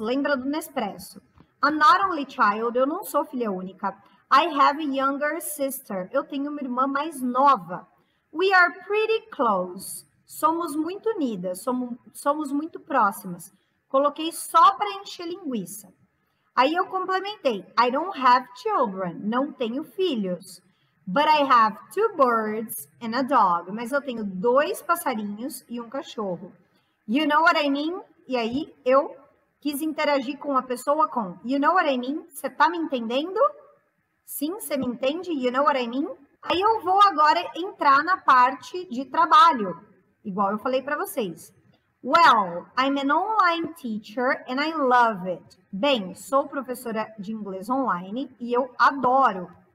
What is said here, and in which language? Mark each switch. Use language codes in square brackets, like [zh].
[pt] Lembra do Nespresso. [en] I'm not only child. [pt] Eu não sou filha única. [en] I have a younger sister. [pt] Eu tenho uma irmã mais nova. [en] We are pretty close. [pt] Somos muito unidas. Somos muito próximas. Coloquei só para encher linguiça. Aí eu complementei. [en] I don't have children. [pt] Não tenho filhos. [en] But I have two birds and a dog. [pt] Mas eu tenho dois passarinhos e um cachorro. [en] You know what I mean? [pt] E aí eu quis interagir com a pessoa com. [en] You know what I mean? [pt] Você tá me entendendo? Sim, você me entende? [en] You know what I mean? [pt] Aí eu vou agora entrar na parte de trabalho. Igual eu falei para vocês. [en] Well, I'm an online teacher and I love it. [pt] Bem, sou professora de inglês online e eu adoro.